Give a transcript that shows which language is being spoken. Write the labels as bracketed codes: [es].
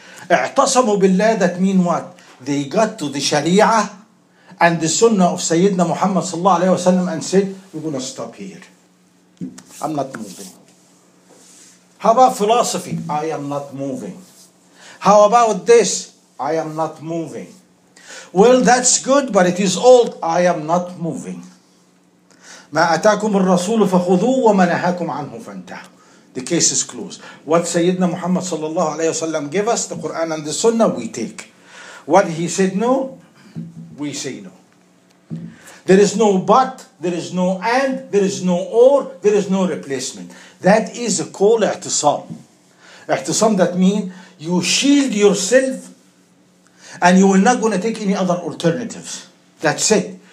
[ar] اعتصموا بالله, [en] that mean what? They got to the Sharia and the Sunnah of Sayyidina Muhammad sallallahu alayhi wa sallam and said, we're going to stop here. I'm not moving. How about philosophy? I am not moving. How about this? I am not moving. Well, that's good, but it is old. I am not moving. [ar] ما أتاكم الرسول فخذوه وما نهاكم عنه فانتهوا. [en] The case is closed. What Sayyidina Muhammad sallallahu alayhi wa sallam gave us, the Quran and the Sunnah, we take. What he said no, we say no. There is no but, there is no and, there is no or, there is no replacement. That is a call i'tisam. I'tisam, that means you shield yourself and you are not going to take any other alternatives. That's it.